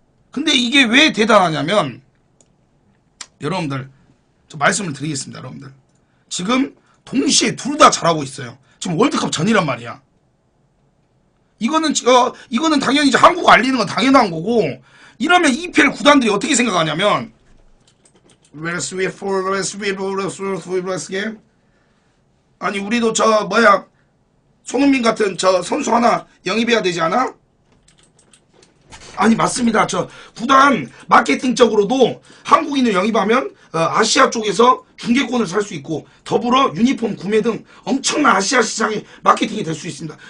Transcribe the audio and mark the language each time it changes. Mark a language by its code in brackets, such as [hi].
[ko] 근데 이게 왜 대단하냐면 여러분들 저 말씀을 드리겠습니다. 여러분들 지금 동시에 둘 다 잘하고 있어요. 지금 월드컵 전이란 말이야. 이거는 당연히 이제 한국 알리는 건 당연한 거고 이러면 EPL 구단들이 어떻게 생각하냐면. [en] Let's wait for, let's wait for, let's wait for the last game. [ko] 아니 우리도 저 뭐야 손흥민 같은 저 선수 하나 영입해야 되지 않아? 아니 맞습니다. 저 구단 마케팅적으로도 한국인을 영입하면 아시아 쪽에서 중계권을 살 수 있고 더불어 유니폼 구매 등 엄청난 아시아 시장의 마케팅이 될 수 있습니다.